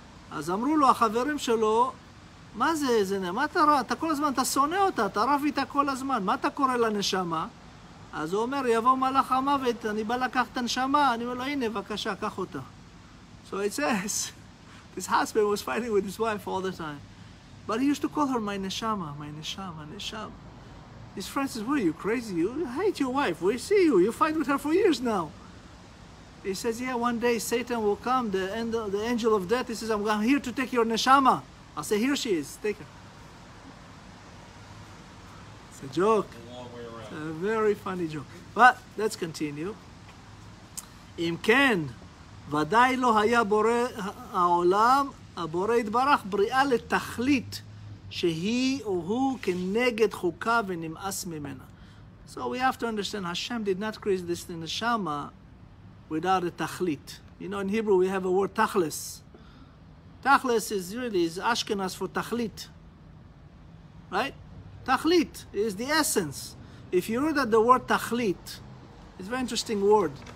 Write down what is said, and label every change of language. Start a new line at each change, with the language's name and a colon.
Hebrew: Az amru lo, החברים שלו, מה זה איזה נשמה? אתה כל הזמן, אתה שונא אותה, אתה רב איתה כל הזמן. מה אתה קורא לנשמה? אז הוא אומר, יבוא מלאך המוות, אני בא לקחת את הנשמה. אני אומר לו, הנה, בבקשה, קח אותה.
English: So it says, this husband was fighting with his wife all the time. But he used to call her my neshama, my neshama, neshama. His friend says, what are you, crazy? You hate your wife. We see you. You fight with her for years now. He says, yeah, one day Satan will come, the angel of death. He says, I'm here to take your neshama. I'll say, here she is. Take her. It's a joke. A long way around. It's a very funny joke. But let's continue.
Hebrew: אם כן, ודאי לא היה בורא העולם, הבורא יתברך בריאה לתכלית שהיא או הוא כנגד חוקה ונמאס ממנה.
English: So we have to understand, Hashem did not create this neshama without a תכלית. You know, in Hebrew we have a word תכלס. תכלס is really, is Ashkenaz for תכלית. Right? תכלית is the essence. If you read that the word תכלית, it's a very interesting word.